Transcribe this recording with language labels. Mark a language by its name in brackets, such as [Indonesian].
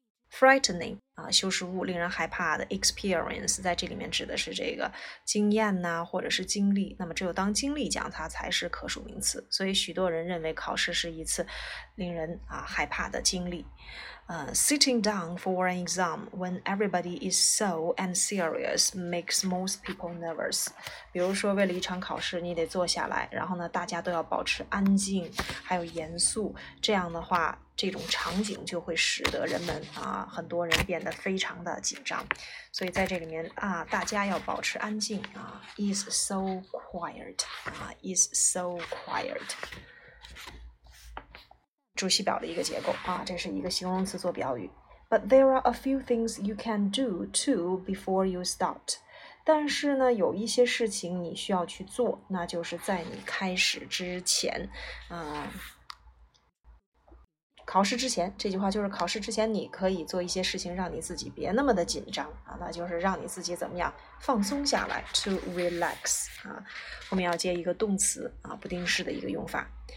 [Chinese] Frightening, 修饰物令人害怕的 experience 在这里面指的是这个经验呢、或者是经历，那么只有当经历讲它才是可数名词，所以许多人认为考试是一次令人、害怕的经历。 [English] Sitting down for an exam when everybody is so and serious makes most people nervous. [Chinese] 比如说为了一场考试你得坐下来，然后呢大家都要保持安静还有严肃，这样的话这种场景就会使得人们、很多人变得非常的紧张。所以在这里面、大家要保持安静、 [English] is so quiet,、is so quiet. [Chinese] 主系表的一个结构、这是一个形容词做表语。 [English] But there are a few things you can do too before you start. [Chinese] 但是呢有一些事情你需要去做，那就是在你开始之前、考试之前，这句话就是考试之前你可以做一些事情让你自己别那么的紧张、那就是让你自己怎么样放松下来 to relax.、后面要接一个动词、不定式的一个用法。